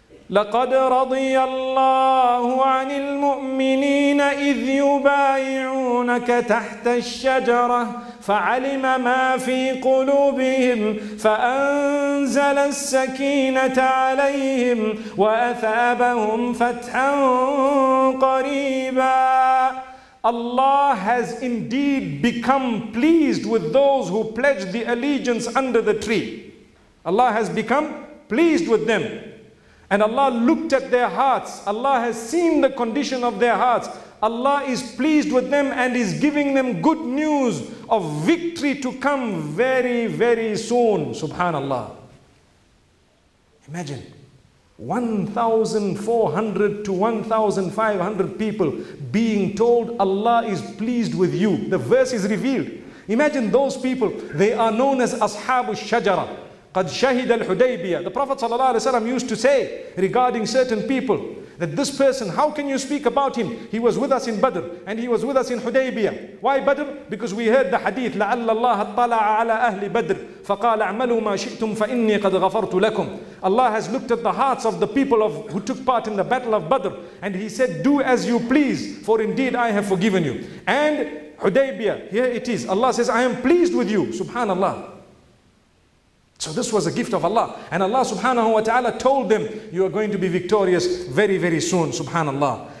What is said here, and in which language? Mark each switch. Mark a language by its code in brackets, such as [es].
[ar] لقد رضي الله عن المؤمنين إذ يبايعونك تحت الشجرة فعلم ما في قلوبهم فأنزل السكينة عليهم وأثابهم فتحا قريبا. [en] Allah has indeed become pleased with those who pledged the allegiance under the tree. Allah has become pleased with them. And Allah looked at their hearts. Allah has seen the condition of their hearts. Allah is pleased with them and is giving them good news of victory to come very, very soon. Subhanallah. Imagine. 1,400 to 1,500 people being told Allah is pleased with you. The verse is revealed. Imagine those people, they are known as Ashab al-Shajara. Qad shahid al-Hudaybiyah. The Prophet sallallahu alaihi wasallam used to say regarding certain people that this person, how can you speak about him? He was with us in Badr and he was with us in Hudaybiyah. Why Badr? Because we heard the hadith, [ar] لَعَلَّ اللَّهَ اطَّلَعَ عَلَىٰ أَهْلِ بَدْرِ فَقَالَ اعْمَلُوا مَا شِئْتُمْ فَإِنِّي قَدْ غَفَرْتُ لَكُمْ. [en] Allah has looked at the hearts of the people of who took part in the battle of Badr and he said, do as you please, for indeed I have forgiven you. And Hudaybiyah, here it is. Allah says, I am pleased with you. Subhanallah. So this was a gift of Allah. And Allah subhanahu wa ta'ala told them, you are going to be victorious very, very soon. Subhanallah.